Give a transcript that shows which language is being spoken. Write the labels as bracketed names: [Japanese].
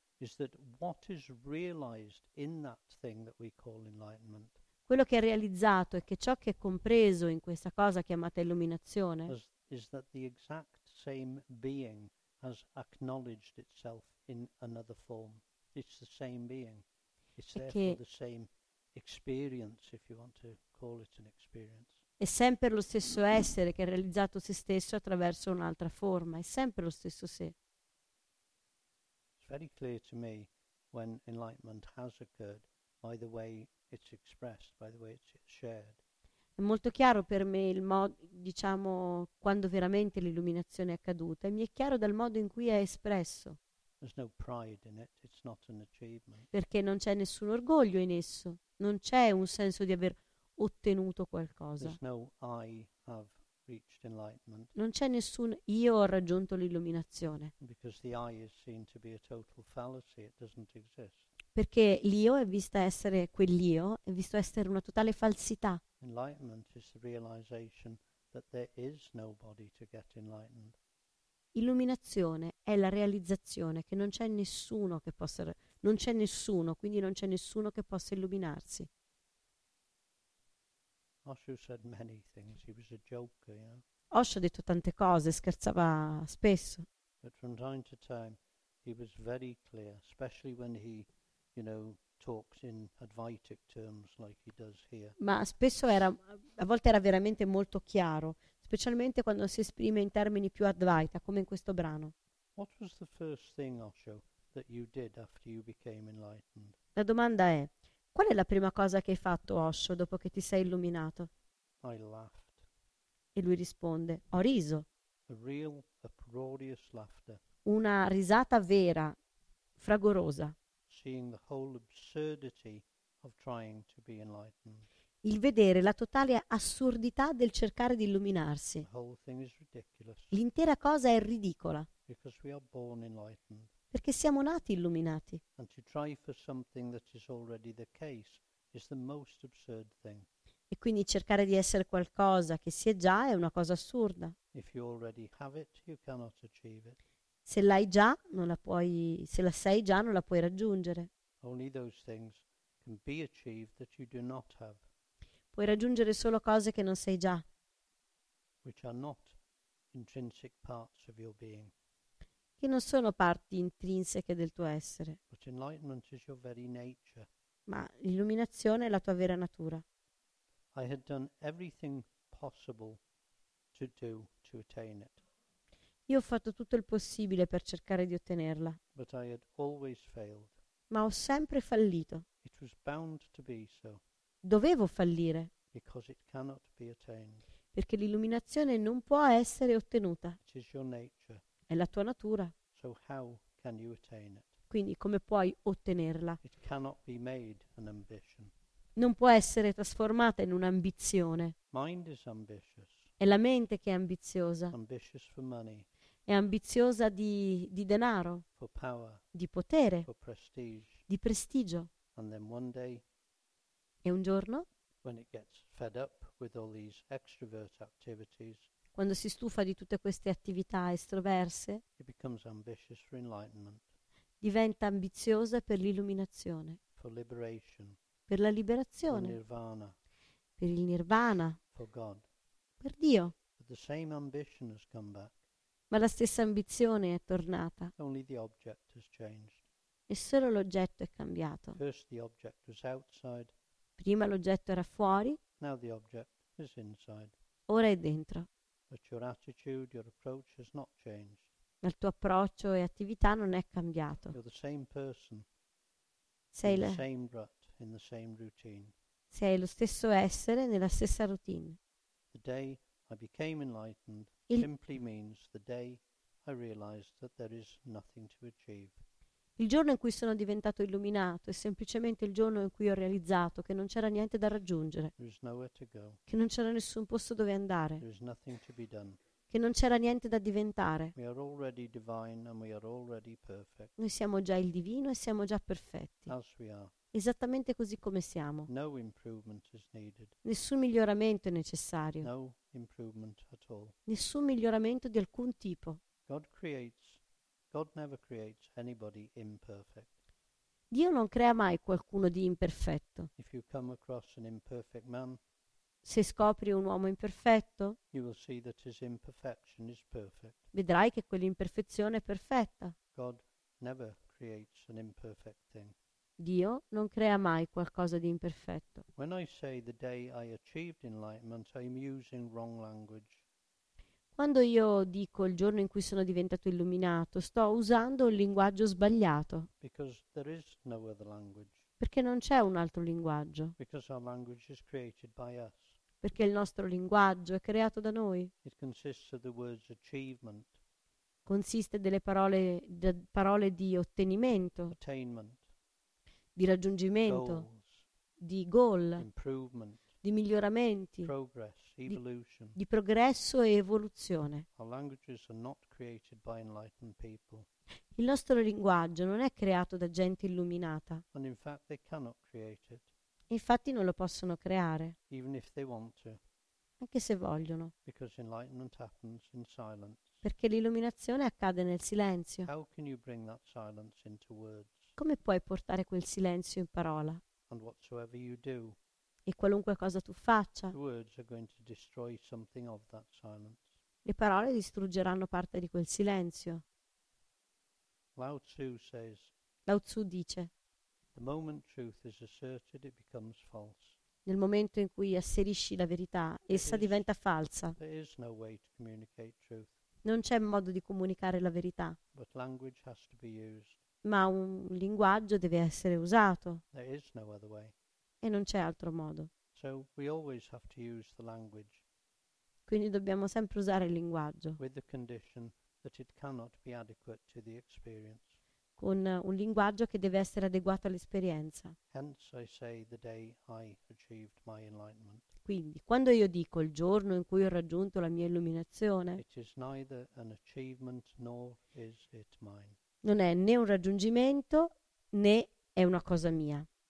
[English] is that what is realized in that thing that we call enlightenment. [Italian] Quello che è realizzato è che ciò che è compreso in questa cosa chiamata illuminazione [English] is that the exact same being has acknowledged itself in another form. It's the same being. It's therefore the same experience, if you want to call it an experience. [Italian] È sempre lo stesso essere che ha realizzato se stesso attraverso un'altra forma. È sempre lo stesso sé. [English] It's very clear to me when enlightenment has occurred by the way it's expressed, by the way it's shared. [Italian] È molto chiaro per me il modo, diciamo, quando veramente l'illuminazione è accaduta, e mi è chiaro dal modo in cui è espresso. [English] There's no pride in it. It's not an achievement. [Italian] Perché non c'è nessun orgoglio in esso, non c'è un senso di aver ottenuto qualcosa. [English] There's no I have reached enlightenment. [Italian] Non c'è nessun io ho raggiunto l'illuminazione. [English] Because the I is seen to be a total fallacy, it doesn't exist. [Italian] Perché l'io è visto essere quell'io, è visto essere una totale falsità. [English] Enlightenment is the realization that there is nobody to get enlightened. [Italian] Illuminazione è la realizzazione che non c'è nessuno che possa, non c'è nessuno, quindi non c'è nessuno che possa illuminarsi. [English] Osho said many things. He was a joker, you know? [Italian] Osho ha detto tante cose, scherzava spesso. [English] But from time to time he was very clear, especially when he, you know, talks in Advaitic terms like he does here. [Italian] Ma spesso era, a volte era veramente molto chiaro, specialmente quando si esprime in termini più Advaita, come in questo brano. [English] What was the first thing, Osho, that you did after you became enlightened? [Italian] La domanda è: qual è la prima cosa che hai fatto, Osho, dopo che ti sei illuminato? [English] I laughed. [Italian] E lui risponde: ho riso. [English] A real uproarious laughter. [Italian] Una risata vera, fragorosa. [English] Seeing the whole absurdity of trying to be enlightened. [Italian] Il vedere la totale assurdità del cercare di illuminarsi. [English] The whole thing is ridiculous. [Italian] L'intera cosa è ridicola. [English] Because we are born enlightened. [Italian] Perché siamo nati illuminati. [English] And to try for something that is already the case is the most absurd thing. [Italian] E quindi cercare di essere qualcosa che si è già è una cosa assurda. [English] If you already have it, you cannot achieve it. [Italian] Se l'hai già, non la puoi, se la sei già, non la puoi raggiungere. [English] Only those things can be achieved that you do not have. [Italian] Puoi raggiungere solo cose che non sei già. [English] Which are not intrinsic parts of your being. [Italian] Che non sono parti intrinseche del tuo essere. [English] But enlightenment is your very nature. [Italian] Ma l'illuminazione è la tua vera natura. [English] I had done everything possible to do to attain it. [Italian] Io ho fatto tutto il possibile per cercare di ottenerla. [English] But I had always failed. [Italian] Ma ho sempre fallito. [English] It was bound to be so. [Italian] Dovevo fallire. [English] Because it cannot be attained. [Italian] Perché l'illuminazione non può essere ottenuta. [English] It is your nature. [Italian] È la tua natura. [English] So how can you attain it? [Italian] Quindi come puoi ottenerla? [English] It cannot be made an ambition. [Italian] Non può essere trasformata in un'ambizione. [English] Mind is ambitious. [Italian] È la mente che è ambiziosa. [English] Ambitious for money. [Italian] È ambiziosa di denaro. [English] For power. [Italian] Di potere. [English] For prestige. [Italian] Di prestigio. [English] And then one day, [Italian] e un giorno, [English] when it gets fed up with all these extrovert activities, [Italian] quando si stufa di tutte queste attività estroverse, [English] it becomes ambitious for enlightenment. [Italian] Diventa ambiziosa per l'illuminazione. [English] For liberation. [Italian] Per la liberazione. [English] For nirvana. [Italian] Per il nirvana. [English] For God. [Italian] Per Dio. [English] But the same ambition has come back. [Italian] Ma la stessa ambizione è tornata. [English] Only the object has changed. [Italian] E solo l'oggetto è cambiato. [English] First the object was outside. [Italian] Prima l'oggetto era fuori. [English] Now the object is inside. [Italian] Ora è dentro. [English] But your attitude, your approach has not changed. [Italian] Il tuo approccio e attività non è cambiato. [English] You're the same person. [Italian] Sei [English] in the same rut, in the same routine. [Italian] Sei lo stesso essere nella stessa routine. [English] The day I became enlightened simply means the day I realized that there is nothing to achieve. [Italian] Il giorno in cui sono diventato illuminato è semplicemente il giorno in cui ho realizzato che non c'era niente da raggiungere. [English] There is nowhere to go. [Italian] Che non c'era nessun posto dove andare. [English] There is nothing to be done. [Italian] Che non c'era niente da diventare. [English] We are already divine and we are already perfect. [Italian] Noi siamo già il divino e siamo già perfetti. [English] As we are. [Italian] Esattamente così come siamo. [English] No improvement is needed. [Italian] Nessun miglioramento è necessario. [English] No improvement at all. [Italian] Nessun miglioramento di alcun tipo. [English] God creates God never creates anybody imperfect. [Italian] Dio non crea mai qualcuno di imperfetto. [English] If you come across an imperfect man, [Italian] se scopri un uomo imperfetto, [English] you will see that his imperfection is perfect. [Italian] Vedrai che quell'imperfezione è perfetta. [English] God never creates an imperfect thing. [Italian] Dio non crea mai qualcosa di imperfetto. [English] When I say the day I achieved enlightenment, I'm using wrong language. [Italian] Quando io dico il giorno in cui sono diventato illuminato, sto usando un linguaggio sbagliato. [English] Because there is no other language. [Italian] Perché non c'è un altro linguaggio. [English] Because our language is created by us. [Italian] Perché il nostro linguaggio è creato da noi. [English] It consists of the words achievement. [Italian] Consiste delle parole, parole di ottenimento. [English] Attainment. [Italian] Di raggiungimento, [English] goals, [Italian] di goal, [English] improvement, [Italian] di miglioramenti, [English] progress, evolution. [Italian] Di progresso e evoluzione. [English] Our languages are not created by enlightened people. [Italian] Il nostro linguaggio non è creato da gente illuminata. [English] And in fact they cannot create it. [Italian] Infatti non lo possono creare, [English] even if they want to. [Italian] Anche se vogliono. [English] Because enlightenment happens in silence. [Italian] Perché l'illuminazione accade nel silenzio. [English] How can you bring that silence into words? [Italian] Come puoi portare quel silenzio in parola? [English] And whatsoever you do, [Italian] e qualunque cosa tu faccia, [English] the words are going to destroy something of that silence. [Italian] Le parole distruggeranno parte di quel silenzio. [English] Lao Tzu says, [Italian] Lao Tzu dice, [English] the moment truth is asserted, it becomes false. [Italian] Nel momento in cui asserisci la verità, essa diventa falsa. [English] There is no way to communicate truth. [Italian] Non c'è modo di comunicare la verità. [English] But language has to be used. [Italian] Ma un linguaggio deve essere usato. [English] There is no other way. [Italian] E non c'è altro modo. [English] So we always have to use the language. [Italian] Quindi dobbiamo sempre usare il linguaggio. [English] With the condition that it cannot be adequate to the experience. [Italian] Con un linguaggio che deve essere adeguato all'esperienza. [English] Hence I say the day I achieved my enlightenment. [Italian] Quindi, quando io dico il giorno in cui ho raggiunto la mia illuminazione, [English] it is neither an achievement nor is it mine. [Italian] Non è né un raggiungimento né è una cosa mia.